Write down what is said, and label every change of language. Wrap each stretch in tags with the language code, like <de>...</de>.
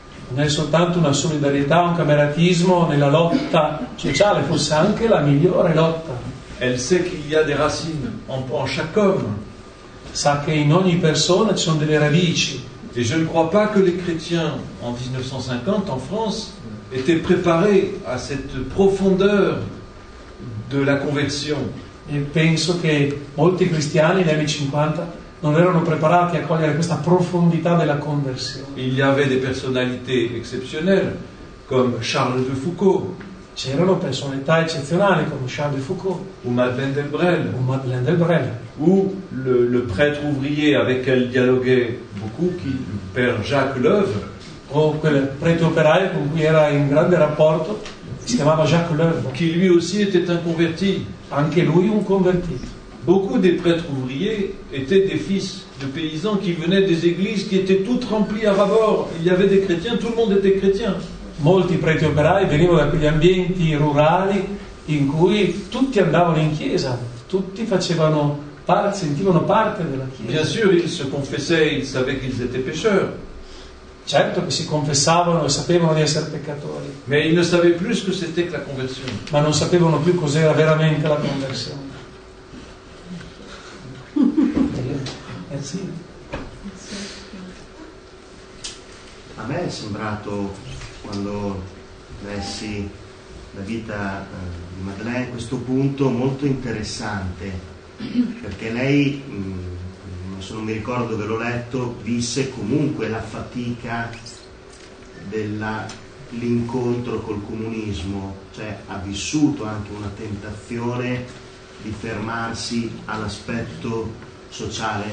<it>Non è soltanto una solidarietà, un cameratismo nella lotta sociale, fosse anche la migliore lotta.</it> <fr>Elle sait qu'il y a des racines en chaque homme.</fr> <it>Sa che in ogni persona ci sono delle radici.</it> <fr>Et je ne crois pas que les chrétiens en 1950 en France étaient préparés à cette profondeur de la conversion.</fr> <it>E penso che molti cristiani negli anni 50 non erano preparati a cogliere questa profondità della conversione.</it> <fr>Il y avait des personnalités exceptionnelles comme Charles de Foucault.</fr> <it>C'erano personalità eccezionali come Charles de Foucault,</it> <fr>ou Madeleine de Brel, ou Madeleine de Brel, ou le prêtre ouvrier avec qui elle dialoguait beaucoup, qui le père Jacques Loeuvre, ou quel prêtre opéraire</fr> <it>con cui era in grande rapporto, si chiamava Jacques Loeuvre,</it> <fr>qui lui aussi était un converti,</fr> <it>anche lui un convertito.</it> <fr>Beaucoup des prêtres ouvriers étaient des fils de paysans qui venaient des églises qui étaient toutes remplies à ras-bord. Il y avait des chrétiens, tout le monde était chrétien.</fr> <it>Molti preti operai venivano da quegli ambienti rurali in cui tutti andavano in chiesa, tutti facevano parte, sentivano parte della chiesa.</it> <fr>Bien sûr, ils se confessaient, ils savaient qu'ils étaient pécheurs.</fr> <it>Certo che si confessavano e sapevano di essere peccatori.</it> <fr>Mais ils ne savaient plus ce que c'était que la conversion.</fr> <it>Ma non sapevano più cos'era veramente la conversione. Sì. A me è sembrato, quando lessi la vita di Madeleine, questo punto molto interessante, perché lei, se non mi ricordo dove l'ho letto, visse comunque la fatica dell'incontro col comunismo, cioè ha vissuto anche una tentazione di fermarsi all'aspetto sociale.</it>